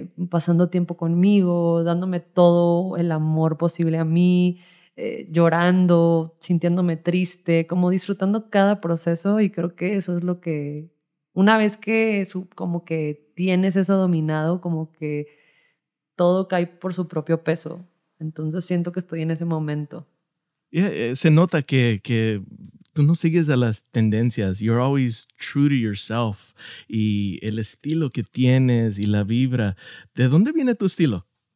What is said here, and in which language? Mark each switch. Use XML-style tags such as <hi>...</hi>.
<es>pasando tiempo conmigo, dándome todo el amor posible a mí, llorando, sintiéndome triste, como disfrutando cada proceso, y creo que eso es lo que, una vez que como que tienes eso dominado, como que todo cae por su propio peso. Entonces siento que estoy en ese momento. Yeah, se nota que tú no sigues a las tendencias.</es> <en>You're always true to yourself.</en> <es>Y el estilo que tienes y la vibra. ¿De dónde viene tu estilo?</es>